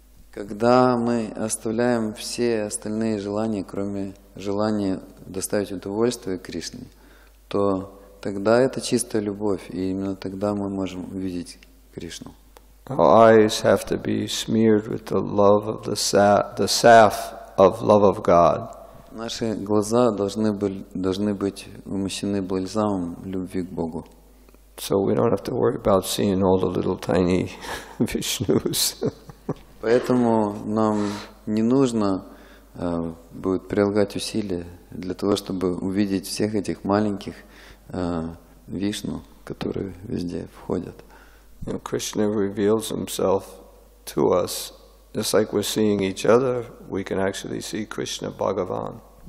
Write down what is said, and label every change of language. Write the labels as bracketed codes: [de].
[ru] Когда мы оставляем все остальные желания, кроме желания доставить удовольствие Кришне, то тогда это чистая любовь, и именно тогда мы можем увидеть Кришну. [en] Our eyes have to be smeared with the love of the salve of love of God. [ru] Наши глаза должны быть умощены бальзамом любви к Богу. [en] So we don't have to worry about seeing all the little tiny Vishnus. [ru] Поэтому нам не нужно будет прилагать усилия для того, чтобы увидеть всех этих маленьких вишну, которые везде входят. [en] Krishna reveals himself to us just like we're seeing each other. We can actually see Krishna Bhagavan.